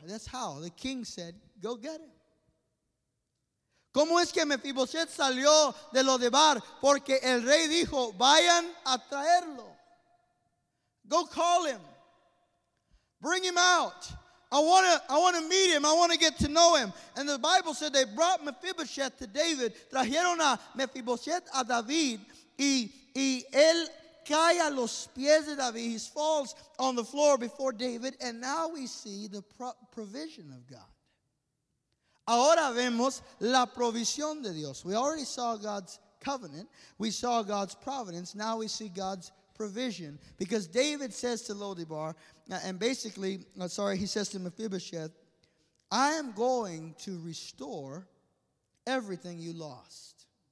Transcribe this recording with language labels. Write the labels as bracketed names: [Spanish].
[English] That's how. The king said, go get him. [Spanish] ¿Cómo es que Mefiboset salió de Lodebar? Porque el rey dijo, vayan a traerlo. [English] Go call him. Bring him out. I want to meet him. I want to get to know him. And the Bible said they brought Mephibosheth to David. [Spanish] Trajeron a Mephibosheth a David. Y él cae a los pies de David. [English] He falls on the floor before David. And now we see the provision of God. [Spanish] Ahora vemos la provisión de Dios. [English] We already saw God's covenant. We saw God's providence. Now we see God's provision. Because David says to Lodebar, and basically, he says to Mephibosheth, I am going to restore everything you lost.